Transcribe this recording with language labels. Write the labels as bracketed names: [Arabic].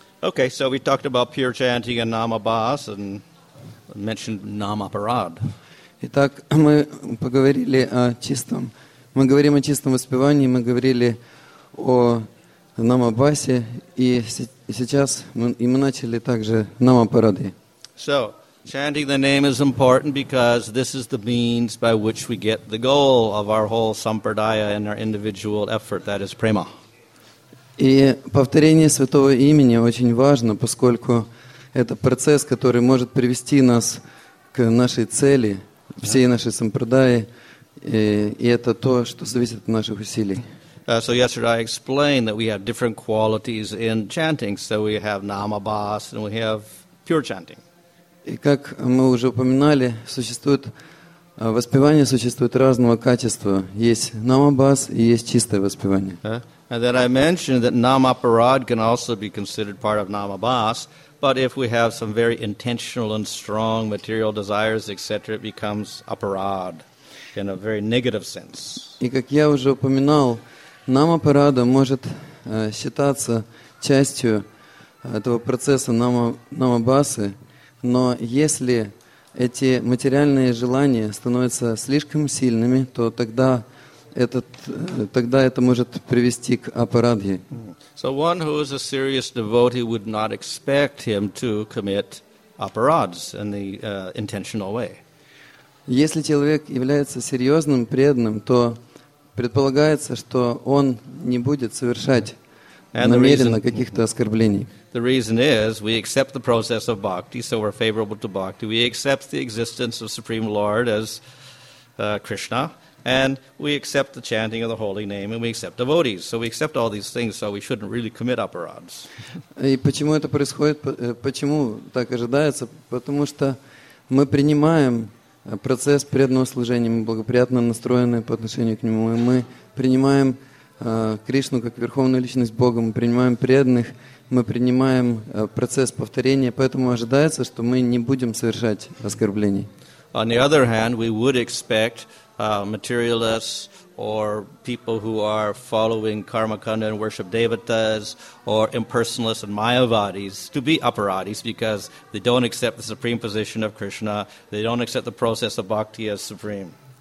[English] Okay, so we talked about pure chanting and Nama Bas and mentioned Nama Parad. [Russian] Итак, мы поговорили о чистом. Мы говорим о чистом воспевании, мы говорили о Нама Басе, и сейчас мы начали также Нама Парады. [English] So, chanting the name is important because this is the means by which we get the goal of our whole sampradaya and our individual effort, that is prema. [Russian] И повторение святого имени очень важно, поскольку это процесс, который может привести нас к нашей цели, всей нашей сампрадаи, и это то, что зависит от наших усилий. [English] So yesterday I explained that we have different qualities in chanting. So we have Nama Bas and we have pure chanting. [Russian] И как мы уже упоминали, существует воспевание существует разного качества. Есть Нама Бас и есть чистое воспевание. [English] And then I mentioned that Nama Parad can also be considered part of Nama Bas, but if we have some very intentional and strong material desires, etc., it becomes a parad in a very negative sense. [Russian] И как я уже упоминал, Нама Парада может считаться частью этого процесса Нама Басы, но если эти материальные желания становятся слишком сильными, то тогда это может привести к апарадхи. [English] So one who is a serious devotee would not expect him to commit aparads in the intentional way. [Russian] Если человек является серьезным преданным, то предполагается, что он не будет совершать намеренно каких-то оскорблений. [English] The reason is we accept the process of bhakti, so we're favorable to bhakti. We accept the existence of Supreme Lord as Krishna. And we accept the chanting of the holy name, and we accept devotees. So we accept all these things, so we shouldn't really commit aparads. [Russian] И почему это происходит? Почему так ожидается? Потому что мы принимаем процесс преданного служения, мы благоприятно настроены по отношению к нему, и мы принимаем Кришну как верховную личность Бога, мы принимаем преданных, мы принимаем процесс повторения, поэтому ожидается, что мы не будем совершать оскорблений. [English] On the other hand, we would expect materialists or people who are following karmakanda and worship devatas or impersonalists and mayavadis to be aparadis because they don't accept the supreme position of Krishna, they don't accept the process of bhakti as supreme.